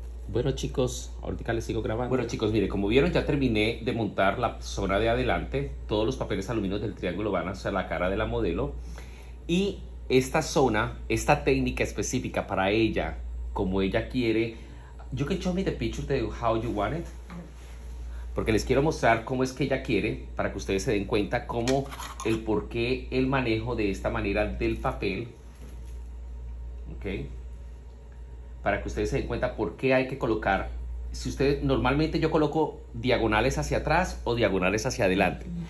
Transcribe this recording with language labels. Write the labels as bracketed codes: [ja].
[es] Bueno, chicos, ahorita les sigo grabando. Bueno, chicos, mire, como vieron, ya terminé de montar la zona de adelante. Todos los papeles aluminios del triángulo van hacia la cara de la modelo. Y esta zona, esta técnica específica para ella, como ella quiere... [en] You can show me the picture of how you want it. [es] Porque les quiero mostrar cómo es que ella quiere, para que ustedes se den cuenta cómo el por qué el manejo de esta manera del papel. ¿Ok? Para que ustedes se den cuenta por qué hay que colocar. Si ustedes, normalmente yo coloco diagonales hacia atrás o diagonales hacia adelante.